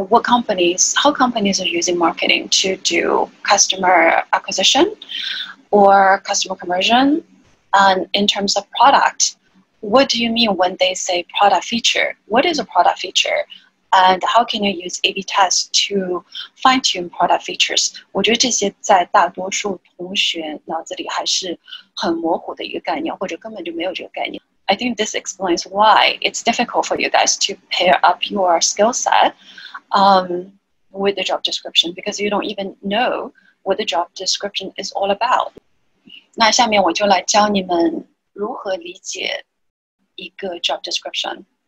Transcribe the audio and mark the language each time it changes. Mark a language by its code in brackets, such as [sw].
[en] What companies, how companies are using marketing to do customer acquisition or customer conversion? And in terms of product, what do you mean when they say product feature? What is a product feature? And how can you use A/B test to fine-tune product features? [zh] 我觉得这些在大多数同学脑子里还是很模糊的一个概念，或者根本就没有这个概念。 [en] I think this explains why it's difficult for you guys to pair up your skill set, with the job description because you don't even know what the job description is all about. [zh] 那下面我就来教你们如何理解一个 job description.